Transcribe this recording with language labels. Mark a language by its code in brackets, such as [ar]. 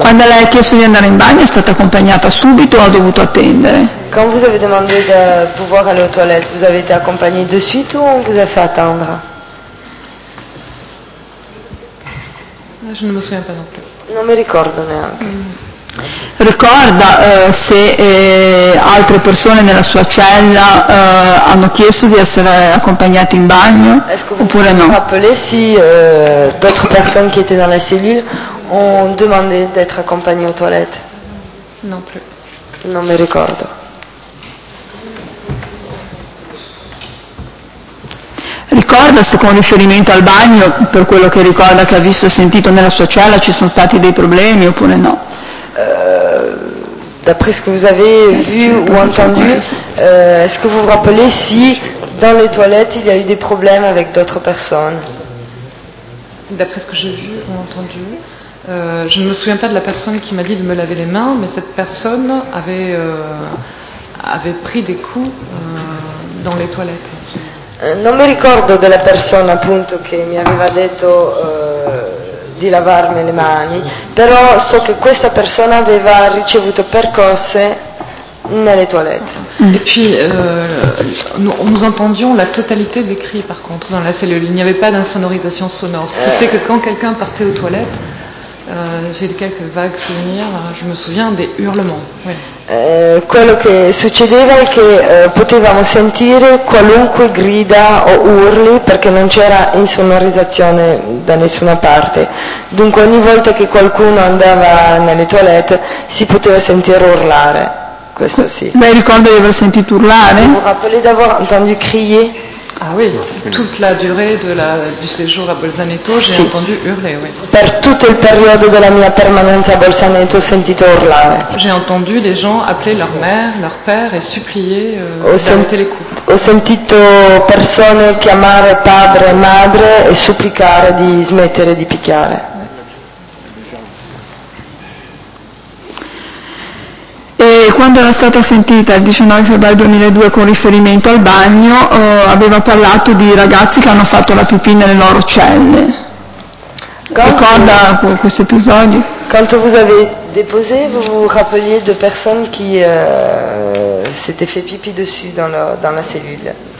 [it] Quando lei ha chiesto di andare in bagno, è stata accompagnata subito o ha dovuto attendere? [fr] Quando vous avez demandé de pouvoir aller aux toilettes, vous avez été accompagné de suite ou on vous a fait attendre? Je ne me souviens pas non plus. [it] Non mi ricordo neanche. Ricorda se altre persone nella sua cella hanno chiesto di essere accompagnate in bagno oppure no? [fr] Rappelez si d'autres personnes qui étaient dans la cellule ont demandé d'être accompagnées aux toilettes. Non plus. [it] Non mi ricordo. Ricorda se con riferimento al bagno, per quello che ricorda che ha visto e sentito nella sua cella, ci sono stati dei problemi oppure no? [fr] D'après ce que vous avez vu ou entendu, est-ce que vous vous rappelez si dans les toilettes il y a eu des problèmes avec d'autres personnes? D'après ce que j'ai vu ou entendu, je ne me souviens pas de la personne qui m'a dit de me laver les mains, mais cette personne avait pris des coups dans les toilettes. [it] Non mi ricordo della persona appunto che mi aveva detto di lavarmi le mani, però so che questa persona aveva ricevuto percosse nelle toilette. E poi [fr] nous entendions la totalité des cris par contre dans la cellule, il n'y avait pas d'insonorisation sonore, ce qui fait que quand quelqu'un partait aux toilettes, j'ai quelques vagues souvenirs, je me souviens des hurlements. Oui. [it] Quello che succedeva è che potevamo sentire qualunque grida o urli perché non c'era insonorizzazione da nessuna parte. Dunque ogni volta che qualcuno andava nelle toilette si poteva sentire urlare. Questo sì. Lei ricorda di aver sentito urlare? [fr] Vous rappelez d'avoir entendu crier? Ah oui, toute la durée du séjour à Bolzaneto, j'ai entendu hurler, oui. [it] Per tutto il periodo della mia permanenza a Bolzaneto, ho sentito urlare. [fr] J'ai entendu les gens appeler leur mère, leur père et supplier d'arrêter les coups. [it] Ho sentito persone chiamare padre e madre e supplicare di smettere di picchiare. Quando era stata sentita il 19 febbraio 2002 con riferimento al bagno, aveva parlato di ragazzi che hanno fatto la pipì nelle loro celle. Ricorda questi episodi? [fr] Quando vous avez déposé, vous vous rappeliez de personnes qui s'était fait pipi dessus dans la cellule.